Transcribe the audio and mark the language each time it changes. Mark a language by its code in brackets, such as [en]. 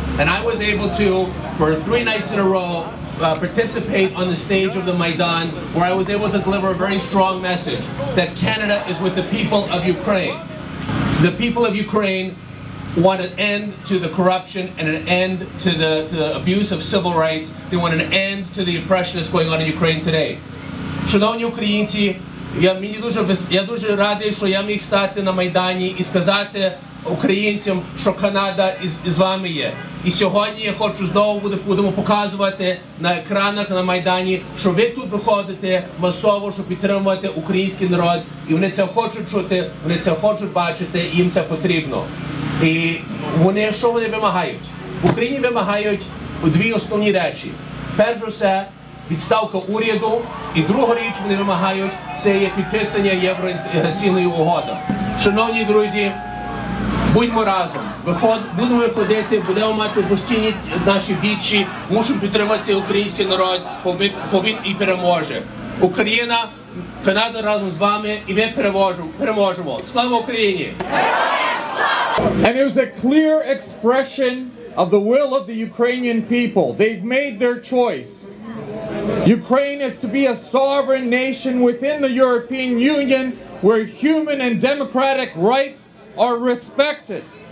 [en] And I was able to, for three nights in a row, participate on the stage of the Maidan, where I was able to deliver a very strong message that Canada is with the people of Ukraine. The people of Ukraine want an end to the corruption and an end to the abuse of civil rights. They want an end to the oppression that's going on in Ukraine today. [uk] Шановні українці, я дуже радий, що я міг стати на Майдані і сказати українцям, що Канада із вами є. І сьогодні я хочу знову будемо показувати на екранах на Майдані, що ви тут виходите масово, щоб підтримувати український народ. І вони це хочуть чути, вони це хочуть бачити, і їм це потрібно. І вони, що вони вимагають? В Україні вимагають дві основні речі. Перш за все, відставка уряду. І друга річ вони вимагають, це є підписання євроінтеграційної угоди. Шановні друзі, будьмо разом, будемо виходити, будемо мати постійні наші вічі, мусимо підтримати цей український народ, побід і переможе. Україна, Канада разом з вами, і ми переможемо. Слава Україні! [en] And it was a clear expression of the will of the Ukrainian people. They've made their choice. Ukraine is to be a sovereign nation within the European Union where human and democratic rights are respected.